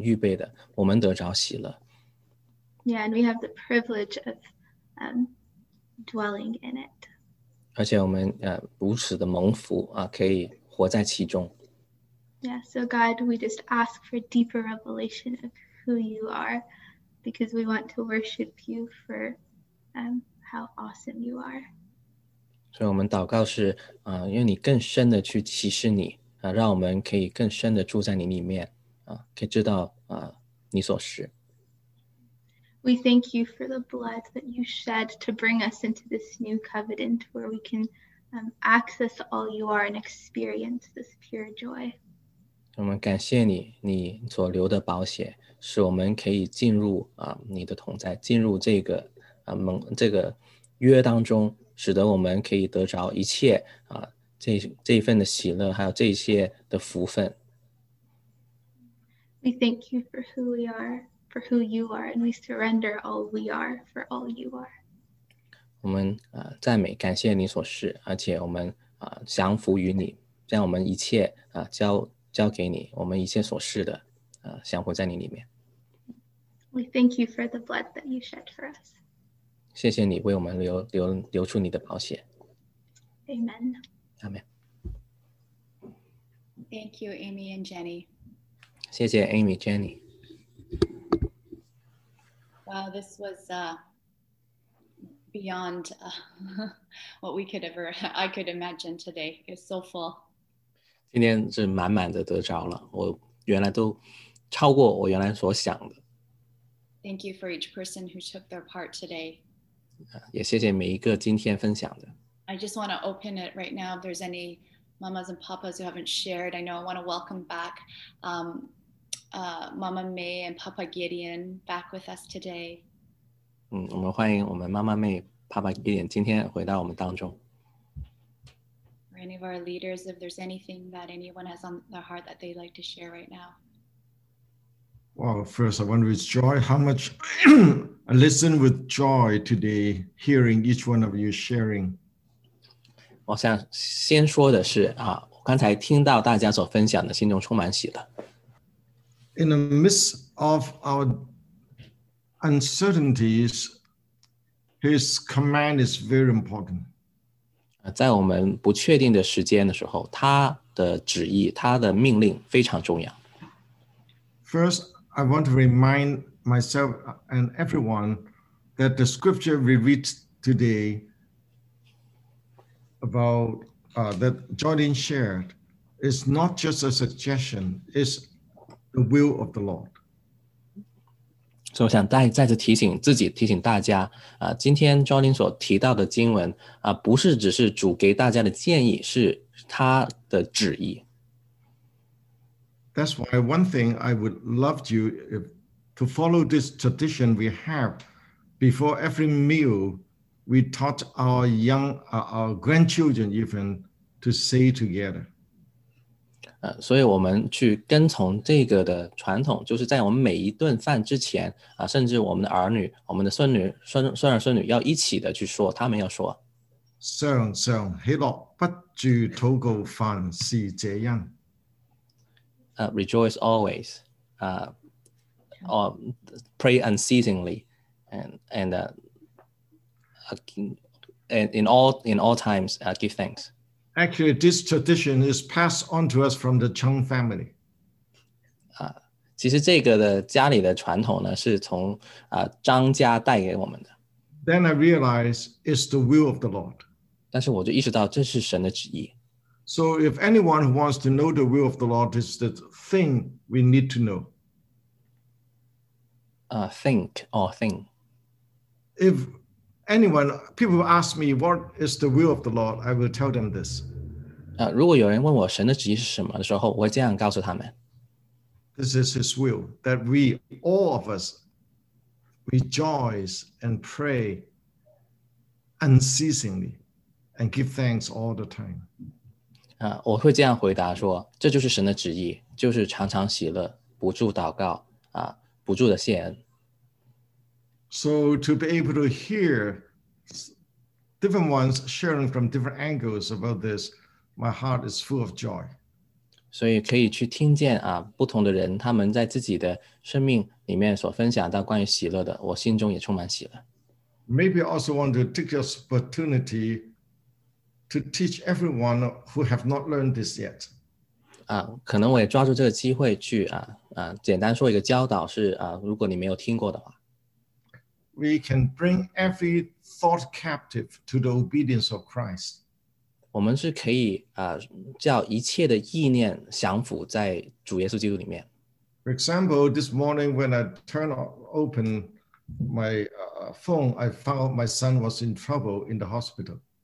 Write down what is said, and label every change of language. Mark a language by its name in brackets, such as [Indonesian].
[Chinese] 而且一次又一次再次被提到，就是希伯来书里面所说的，这是他的喜乐，他的喜乐就是让我们得着一切他为我们预备的，我们得着喜乐。Yeah, [English] and we have the privilege of dwelling in it. [Chinese] 而且我们如此的蒙福，可以活在其中。Yeah, [English] so God, we just ask for deeper revelation of who you are, because we want to worship you for how awesome you are. [Chinese] 所以我们祷告是, 愿你更深地去启示你, 让我们可以更深地住在你里面, 可以知道, 你所是。 [English] We thank you for the blood that you shed to bring us into this new covenant where we can access all you are and experience this pure joy. [Chinese] 我们感谢你, 你所流的宝血, 使我们可以进入, 你的同在, 进入这个, 这个, 约当中, 使得我们可以得着一切, 这一份的喜乐, 还有这一些的福分。 [English] We thank you for who we are, for who you are, and we surrender all we are for all you are. [Chinese] 我们赞美感谢你所是, 而且我们降服于你，让我们一切交给你，我们一切所事的降服在你里面。 [English] We thank you for the blood that you shed for us. [Chinese] 谢谢你为我们流出你的宝血。 [English] Amen. Amen. Thank you, Amy and Jenny. [Chinese] 谢谢 Amy, Jenny. [English] Wow, this was beyond what we could ever, I could imagine today. It's so full. [Chinese] 今天是满满的得着了，我原来都超过我原来所想的。 [English] Thank you for each person who took their part today. [Chinese] 也谢谢每一个今天分享的。 [English] I just want to open it right now if there's any mamas and papas who haven't shared. I know I want to welcome back Mama May and Papa Gideon back with us today. [Chinese] 我们欢迎我们妈妈妹、Papa Gideon 今天回到我们当中。 [English] For any of our leaders, if there's anything that anyone has on their heart that they'd like to share right now. Well, first, I wonder with joy how much I listen with joy today, hearing each one of you sharing. [Chinese] 我想先说的是刚才听到大家所分享的，心中充满喜乐。 [English] In the midst of our uncertainties, His command is very important. [Chinese] 在我们不确定的时间的时候，他的旨意，他的命令非常重要。 [English] First,I want to remind myself and everyone that the scripture we read today about that Jordan shared is not just a suggestion, it's the will of the Lord. So I want to [Chinese] 再次提醒自己，提醒大家，今天 Jordan 所提到的经文，不是只是主给大家的建议，是他的旨意。 [English] That's why one thing I would love you to follow this tradition we have. Before every meal, we taught our young, our grandchildren even to say together. [Chinese] 所以我们去跟从这个的传统，就是在我们每一顿饭之前，甚至我们的儿女，我们的孙女，孙儿孙女要一起的去说，他们要说。上上喜乐，不住祷告，凡事这样。 [English] Rejoice always, or pray unceasingly, and in all times, give thanks. Actually, this tradition is passed on to us from the Chung family. [Chinese] 其实这个的家里的传统呢，是从张家带给我们的。 [English] Then I realize it's the will of the Lord. [Chinese] 但是我就意识到这是神的旨意。 [English] So if anyone who wants to know the will of the Lord, this is the thing we need to know. Think or thing. If anyone, people ask me, what is the will of the Lord? I will tell them this. [Chinese] 如果有人问我神的旨意是什么的时候，我会这样告诉他们。 [English] This is His will, that we, all of us, rejoice and pray unceasingly and give thanks all the time. [Chinese] 我会这样回答说，这就是神的旨意，就是常常喜乐，不住祷告，不住的谢恩。 [English] So to be able to hear different ones sharing from different angles about this, my heart is full of joy. [Chinese] 所以可以去听见不同的人他们在自己的生命里面所分享到关于喜乐的，我心中也充满喜乐。 [English] Maybe I also want to take this opportunity. To teach everyone who have not learned this yet. [Chinese] 可能我也抓住这个机会去简单说一个教导是如果你没有听过的话。 [English] We can bring every thought captive to the obedience of Christ. [Chinese] 我们是可以叫一切的意念降服在主耶稣基督里面。 [English] For example, this morning when I turn open my phone, I found my son was in trouble in the hospital.